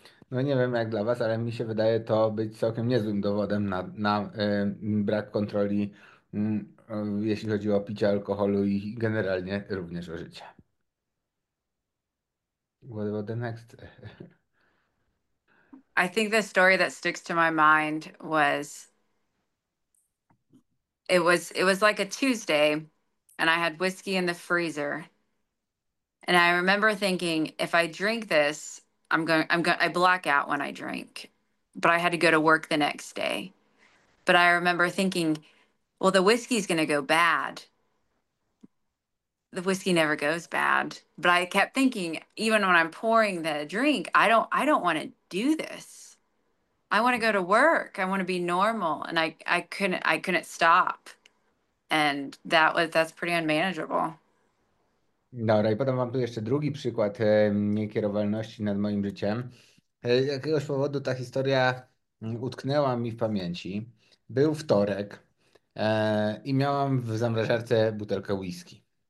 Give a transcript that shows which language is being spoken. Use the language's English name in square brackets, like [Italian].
[Polish] No nie wiem jak dla was, ale mi się wydaje to być całkiem niezłym dowodem na brak kontroli, jeśli chodzi o picie alkoholu i generalnie również o życie. [English] What about the next? I think the story that sticks to my mind was it was like a Tuesday and I had whiskey in the freezer. And I remember thinking, if I drink this, I black out when I drink. But I had to go to work the next day. But I remember thinking, well, the whiskey's gonna go bad. The whiskey never goes bad, but I kept thinking, even when I'm pouring the drink, I don't want to do this. I want to go to work. I want to be normal, and I couldn't stop, and that's pretty unmanageable. [Polish] Dobra, i podam wam tu jeszcze drugi przykład niekierowalności nad moim życiem. Z jakiegoś powodu ta historia utknęła mi w pamięci. Był wtorek i miałam w zamrażarce butelkę whisky.